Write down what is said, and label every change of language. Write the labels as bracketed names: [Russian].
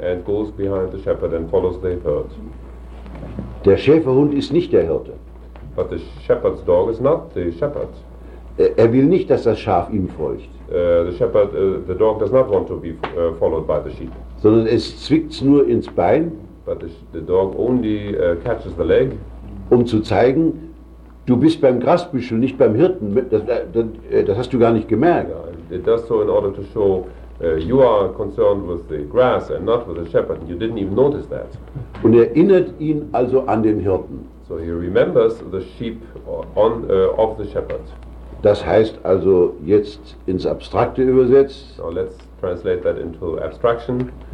[English] And goes behind the shepherd and follows the herd. [German] Der Schäferhund ist nicht der Hirte. [English] But the shepherd's dog is not the shepherd. [German] Er will nicht, dass das Schaf ihm folgt. [English] The dog does not want to be followed by the sheep. [German] Sondern es zwickt es nur ins Bein. [English] But the dog only catches the leg. [German] Um zu zeigen, du bist beim Grasbüschel, nicht beim Hirten. Das hast du gar nicht gemerkt. [English] Yeah, it does so in order to show you are concerned with the grass and not with the shepherd. You didn't even notice that. [German] Und erinnert ihn also an den Hirten. [English] So he remembers the sheep of the shepherd. [German] Das heißt also jetzt ins Abstrakte übersetzt. [English] So let's translate that into abstraction.